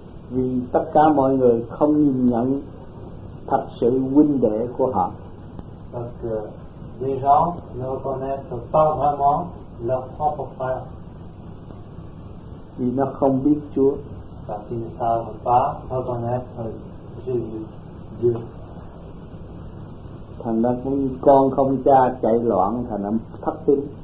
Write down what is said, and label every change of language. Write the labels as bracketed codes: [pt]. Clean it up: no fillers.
[vi] Vì tất cả mọi người không nhìn nhận thật sự huynh đệ của họ. [fr] parce que les gens ne reconnaissent pas vraiment leurs propres frères. Ils ne sont pas sûrs. Parce qu'ils ne savent pas reconnaître Jésus, Dieu. [vi] Thành ra cái con không cha chạy loạn thành nó thất tín.